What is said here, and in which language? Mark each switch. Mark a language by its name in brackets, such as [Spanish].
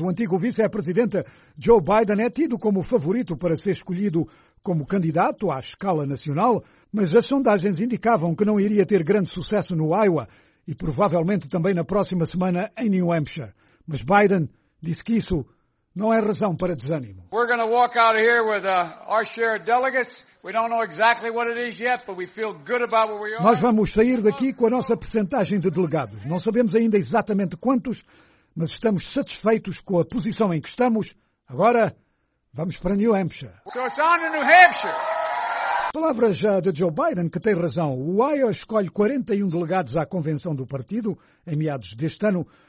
[Portuguese] O antigo vice-presidente Joe Biden é tido como favorito para ser escolhido como candidato à escala nacional, mas as sondagens indicavam que não iria ter grande sucesso no Iowa e provavelmente também na próxima semana em New Hampshire. Mas Biden disse que isso não é razão para desânimo. [English] We're going to walk out of here with our share of delegates. We don't know exactly what it is yet, but we feel good about where we are. [Portuguese] Nós vamos sair daqui com a nossa percentagem de delegados. Não sabemos ainda exatamente quantos, mas estamos satisfeitos com a posição em que estamos. Agora, vamos para New Hampshire. [English] So it's on to New Hampshire. [Portuguese] Palavras já de Joe Biden, que tem razão. O Iowa escolhe 41 delegados à convenção do partido em meados deste ano.